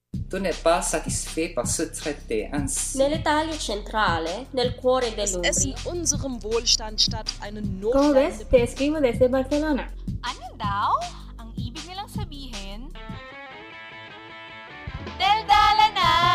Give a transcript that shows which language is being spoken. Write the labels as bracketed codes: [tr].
[fr] Tu ne pa satisfait par ce traité ainsi. [it] Nell'Italia centrale, nel cuore dell'Umbria. [de] Es ist in unserem Wohlstand statt eine Notlage. [es] Como ves, te escribo desde Barcelona. [tl] Ano daw? Ang ibig nilang sabihin, Deldala na!